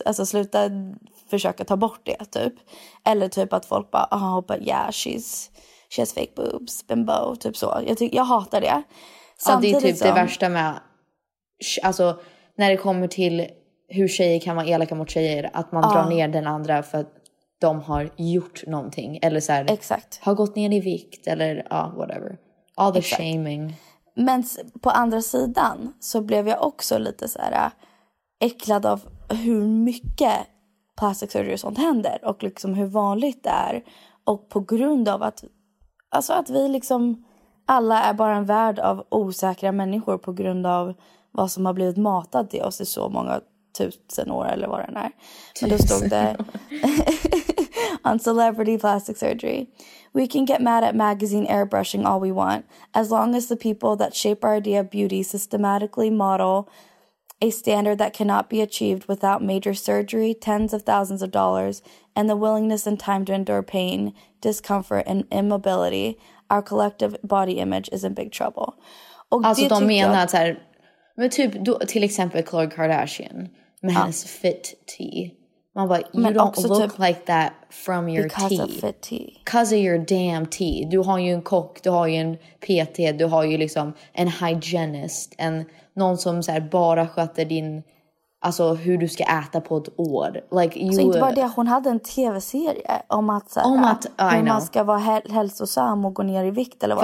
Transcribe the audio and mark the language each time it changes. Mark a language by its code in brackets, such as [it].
[sv] Alltså, sluta försöka ta bort det, typ. Eller typ att folk bara, [en] oh, but yeah, she has fake boobs, [sv] bimbo, typ så. Jag hatar det. Samtidigt, ja, det är typ som, det värsta med, alltså, när det kommer till hur tjejer kan vara elaka mot tjejer, att man drar ner den andra för att de har gjort någonting. Eller så här, exakt, har gått ner i vikt eller whatever. [en] All the, [sv] exakt, [en] shaming. [sv] Men på andra sidan så blev jag också lite så här äcklad av hur mycket plastic surgery och sånt händer. Och liksom hur vanligt det är. Och på grund av att, alltså att vi liksom alla är bara en värld av osäkra människor på grund av vad som har blivit matat till oss i så många tusen år eller vad den är. Men då stod det [en] on celebrity plastic surgery. We can get mad at magazine airbrushing all we want, as long as the people that shape our idea of beauty systematically model a standard that cannot be achieved without major surgery, tens of thousands of dollars, and the willingness and time to endure pain, discomfort, and immobility, our collective body image is in big trouble. [sv] Och alltså de menar att så här, men typ då, till exempel Khloe Kardashian med hennes fit tea. Man bara, [en] you men don't look [sv] typ [en] like that from your because tea. Because of fit tea. Because of your damn tea. [sv] Du har ju en kock, du har ju en PT, du har ju liksom en hygienist, en någon som så här bara sköter din, alltså hur du ska äta på ett år. [en] Like you, [sv] så inte bara det, hon hade en tv-serie om att, så här, om att hur man ska vara hälsosam och gå ner i vikt eller vad.